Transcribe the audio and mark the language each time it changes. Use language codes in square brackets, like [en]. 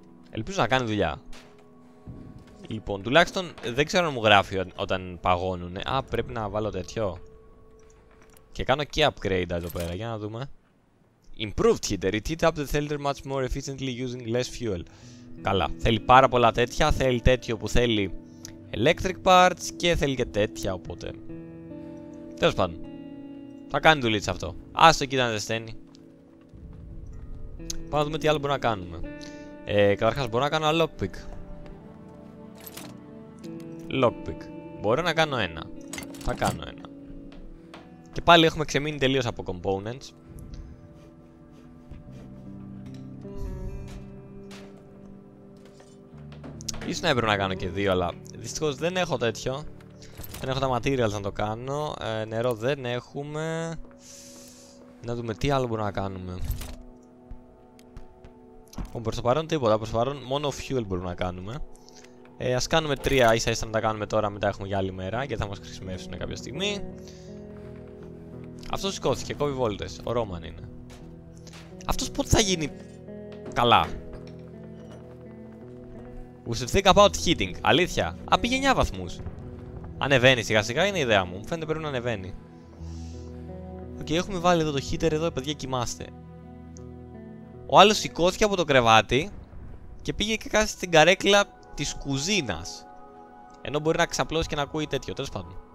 [el] Ελπίζω να κάνει δουλειά. Λοιπόν, τουλάχιστον δεν ξέρω αν μου γράφει όταν παγώνουν. Α, πρέπει να βάλω τέτοιο. Και κάνω και upgrade εδώ πέρα, για να δούμε. [en] Improved heater. It heats up the cylinder much more efficiently using less fuel. [el] Καλά. Θέλει πάρα πολλά τέτοια. Θέλει τέτοιο που θέλει electric parts και θέλει και τέτοια, οπότε. Τέλος πάντων. Θα κάνει δουλίτσα αυτό. Ας το κοίτα να ζεσταίνει. Πάμε να δούμε τι άλλο μπορούμε να κάνουμε. Καταρχάς μπορώ να κάνω lockpick. Lockpick. Μπορώ να κάνω ένα. Θα κάνω ένα. Και πάλι έχουμε ξεμείνει τελείως από components. Ίσως να έπρεπε να κάνω και δύο, αλλά δυστυχώς δεν έχω τέτοιο. Δεν έχω τα materials να το κάνω. Νερό δεν έχουμε. Να δούμε τι άλλο μπορούμε να κάνουμε. Λοιπόν, προς το παρόν τίποτα. Προς το παρόν μόνο fuel μπορούμε να κάνουμε. Ας κάνουμε τρία ίσα ίσα να τα κάνουμε τώρα, μετά έχουμε για άλλη μέρα και θα μας χρησιμεύσουν κάποια στιγμή. Αυτός σηκώθηκε, κόβει βόλτες. Ο Ρόμαν είναι. Αυτός πότε θα γίνει καλά. [en] Was it think about heating, αλήθεια. [el] Α, πήγε 9 βαθμούς. Ανεβαίνει σιγά σιγά, είναι η ιδέα μου. Φαίνεται πρέπει να ανεβαίνει. Okay, έχουμε βάλει εδώ το heater, εδώ παιδιά κοιμάστε. Ο άλλος σηκώθηκε από το κρεβάτι και πήγε και κάθεται στην καρέκλα της κουζίνας. Ενώ μπορεί να ξαπλώσει και να ακούει τέτοιο, τέλος πάντων.